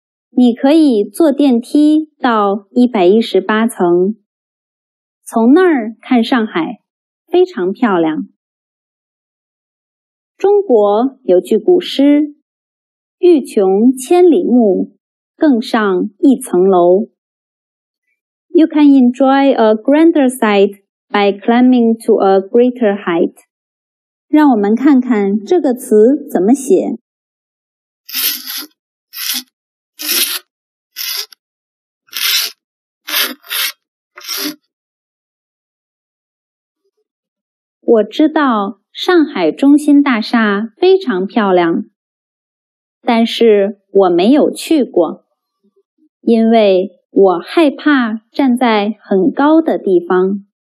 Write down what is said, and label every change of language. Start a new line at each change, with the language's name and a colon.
Chinese: 你可以坐电梯到118层，从那儿看上海，非常漂亮。中国有句古诗，欲穷千里目，更上一层楼。
English: You can enjoy a grander sight by climbing to a greater height.
Chinese: 让我们看看这个词怎么写。我知道上海中心大厦非常漂亮，但是我没有去过，因为我害怕站在很高的地方。